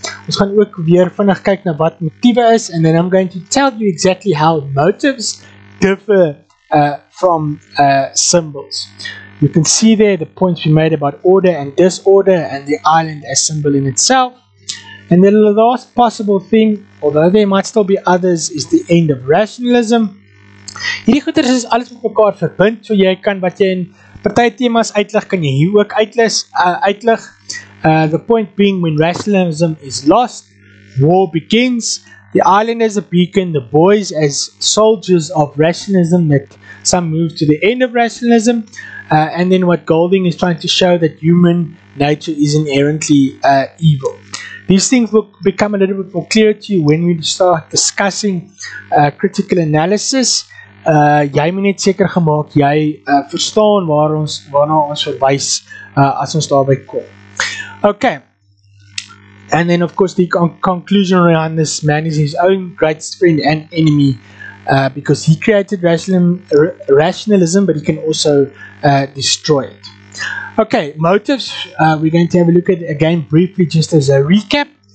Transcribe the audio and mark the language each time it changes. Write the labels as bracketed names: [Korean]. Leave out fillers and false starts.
[Afrikaans] Ons gaan ook weer vinnig kyk na wat motiewe is, [English] and then I'm going to tell you exactly how motives differ from symbols. You can see there the points we made about order and disorder and the island as symbol in itself. And then the last possible thing, although there might still be others, is the end of rationalism. [Afrikaans] Hierdie goeters is alles met mekaar verbind, so jy kan wat jy in party temas uitlig, kan jy hier ook uitlig. [English] The point being, when rationalism is lost, war begins. The island as a beacon, the boys as soldiers of rationalism, that some move to the end of rationalism. And then what Golding is trying to show, that human nature is inherently evil. These things will become a little bit more clear to you when we start discussing critical analysis. [Afrikaans] Jy moet net seker gemaak, jy verstaan waarna ons verwys as ons daarby kom. [English] Okay, and then of course the conclusion around this man is his own greatest friend and enemy, because he created rationalism, but he can also destroy it. Okay, motives, we're going to have a look at again briefly just as a recap.